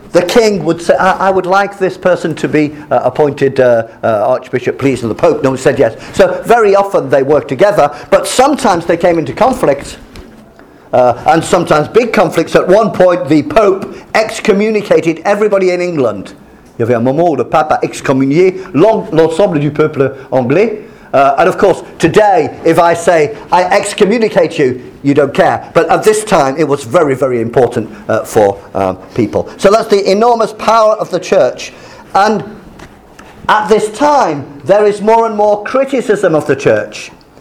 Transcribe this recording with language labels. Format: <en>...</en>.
<en>the king would say, I would like this person to be appointed archbishop, please, and the pope, no one said yes. So very often they worked together, but sometimes they came into conflict, and sometimes big conflicts. At one point, the pope excommunicated everybody in England.</en> <fr>Il y avait un moment où le pape a excommunié l'ensemble du peuple anglais.</fr> <en>And of course, today, if I say, I excommunicate you, you don't care. But at this time, it was very, very important for people. So that's the enormous power of the church. And at this time, there is more and more criticism of the church.</en>